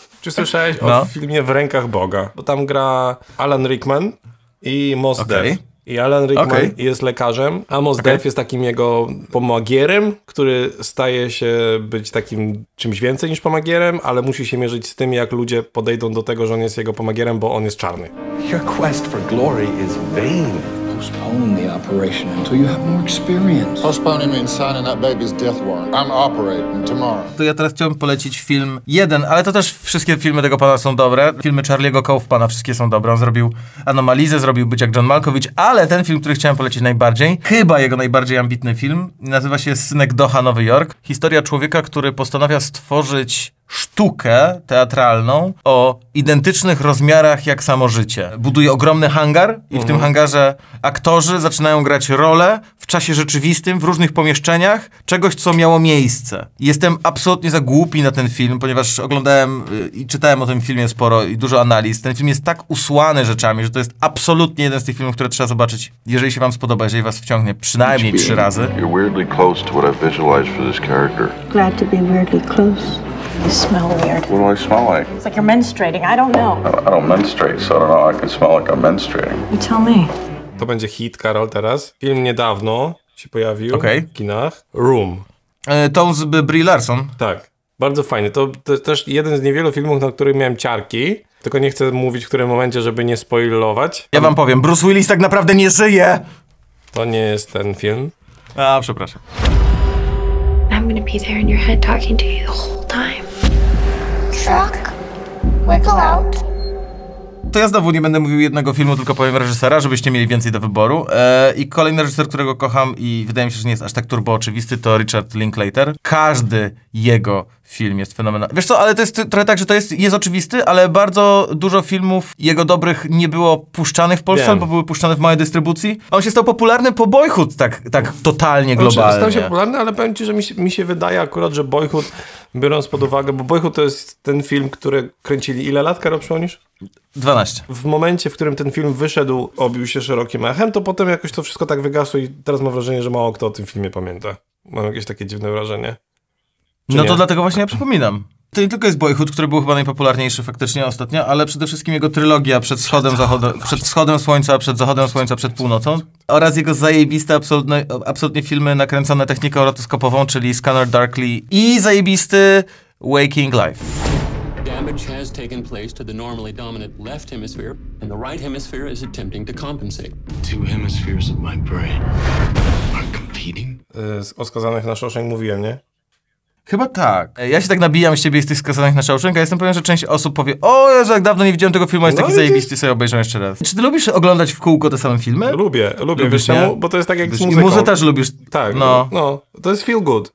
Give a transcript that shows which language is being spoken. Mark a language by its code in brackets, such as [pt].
[pl] Czy słyszałeś o filmie W rękach Boga? Bo tam gra Alan Rickman i Mos Def. I Alan Rickman jest lekarzem, a Mos Def jest takim jego pomagierem, który staje się być takim czymś więcej niż pomagierem, ale musi się mierzyć z tym, jak ludzie podejdą do tego, że on jest jego pomagierem, bo on jest czarny. [en] Your quest for glory is vain. Postpone the operation until you have more experience. Postponing means signing that baby's death warrant. I'm operating tomorrow. [pl] To ja teraz chciałbym polecić film jeden, ale to też wszystkie filmy tego pana są dobre. Filmy Charlie'ego Kaufmana wszystkie są dobre. On zrobił Anomalizę, zrobił Być jak John Malkovich, ale ten film, który chciałem polecić najbardziej, chyba jego najbardziej ambitny film, nazywa się Synek Doha, Nowy Jork. Historia człowieka, który postanawia stworzyć sztukę teatralną o identycznych rozmiarach jak samo życie. Buduje ogromny hangar i w tym hangarze aktorzy zaczynają grać role w czasie rzeczywistym, w różnych pomieszczeniach, czegoś, co miało miejsce. Jestem absolutnie za głupi na ten film, ponieważ oglądałem i czytałem o tym filmie sporo i dużo analiz. Ten film jest tak usłany rzeczami, że to jest absolutnie jeden z tych filmów, które trzeba zobaczyć, jeżeli się wam spodoba, jeżeli was wciągnie przynajmniej trzy razy. [en] You're weirdly close to what I've visualized for this character. Glad to be weirdly close. You smell weird. What do I smell like? It's like you're menstruating. I don't know. I don't menstruate, so I don't know. I can smell like I'm menstruating. You tell me. [pl] To będzie hit, Karol, teraz. Film niedawno się pojawił w kinach. Room. To z Brie Larson. Tak. Bardzo fajny. To też jeden z niewielu filmów, na których miałem ciarki. Tylko nie chcę mówić, w którym momencie, żeby nie spoilować. Ja wam powiem. Bruce Willis tak naprawdę nie żyje. To nie jest ten film. A, przepraszam. [en] I'm gonna be there in your head talking to you the whole time. Truck, wiggle out. [pl] to ja znowu nie będę mówił jednego filmu, tylko powiem reżysera, żebyście mieli więcej do wyboru. I kolejny reżyser, którego kocham i wydaje mi się, że nie jest aż tak turbo oczywisty, to Richard Linklater. Każdy jego film jest fenomenalny. Wiesz co, ale to jest trochę tak, że to jest oczywisty, ale bardzo dużo filmów jego dobrych nie było puszczanych w Polsce, bo były puszczane w małej dystrybucji. On się stał popularny po Boyhood tak totalnie globalnie. Stał się popularny, ale powiem ci, że mi się wydaje akurat, że Boyhood, biorąc pod uwagę, bo Boyhood to jest ten film, który kręcili ile lat, Karol, przypomnisz? 12. W momencie, w którym ten film wyszedł, obił się szerokim echem, to potem jakoś to wszystko tak wygasło i teraz mam wrażenie, że mało kto o tym filmie pamięta. Mam jakieś takie dziwne wrażenie. To dlatego właśnie ja przypominam. To nie tylko jest Boyhood, który był chyba najpopularniejszy faktycznie ostatnio, ale przede wszystkim jego trylogia przed wschodem słońca, przed zachodem słońca, przed północą. Oraz jego zajebiste, absolutnie filmy nakręcone techniką rotoskopową, czyli Scanner Darkly i zajebisty Waking Life. [en] Damage has taken place to the normally dominant left hemisphere and the right hemisphere is attempting to compensate. Two hemispheres of my brain are competing. [pl] O skazanych na Shawshank mówiłem, nie? Chyba tak. Ja się tak nabijam z ciebie i z tych skazanych na Shawshank, a jestem pewien, że część osób powie: o Jezu, jak dawno nie widziałem tego filmu, jest taki zajebisty, sobie obejrzę jeszcze raz. Czy ty lubisz oglądać w kółko te same filmy? Lubię, wiesz czemu? Bo to jest tak jak z muzyką. I muzykę też lubisz. Tak, no. To jest [en] feel good.